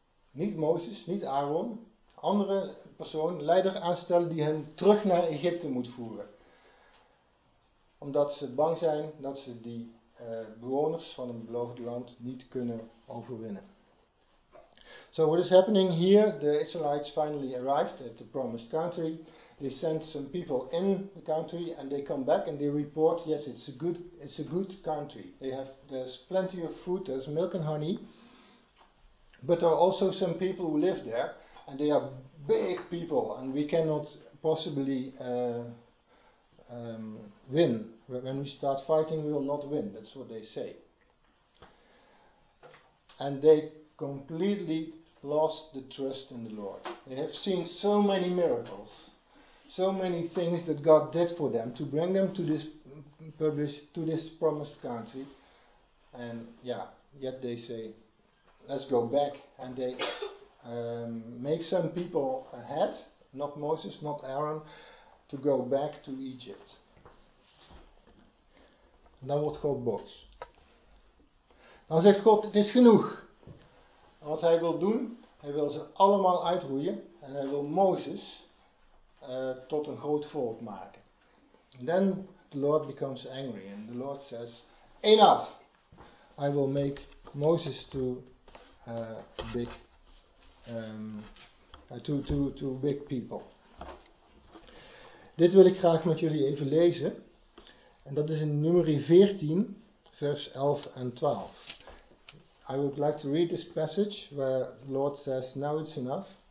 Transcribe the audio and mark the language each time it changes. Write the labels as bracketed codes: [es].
[nl] Niet Mozes, niet Aaron. Andere persoon, leider aanstellen die hen terug naar Egypte moet voeren. Omdat ze bang zijn dat ze die bewoners van een beloofd land niet kunnen overwinnen. [en] So what is happening here? The Israelites finally arrived at the promised country. They send some people in the country and they come back and they report, yes, it's a good country. There's plenty of food, there's milk and honey. But there are also some people who live there. And they are big people, and we cannot possibly win. When we start fighting, we will not win. That's what they say. And they completely lost the trust in the Lord. They have seen so many miracles, so many things that God did for them to bring them to this promised country. And yeah, yet they say, let's go back. And they make some people ahead, not Moses, not Aaron, to go back to Egypt. [nl] En dan wordt God boos. Dan zegt God, het is genoeg. En wat hij wil doen, hij wil ze allemaal uitroeien. En hij wil Mozes tot een groot volk maken. [en] And then the Lord becomes angry. And the Lord says, enough. I will make Moses to a big to big people. [nl] Dit wil ik graag met jullie even lezen. En dat is in Numeri 14, vers 11 en 12. [en] I would like to read this passage where the Lord says, now it's enough.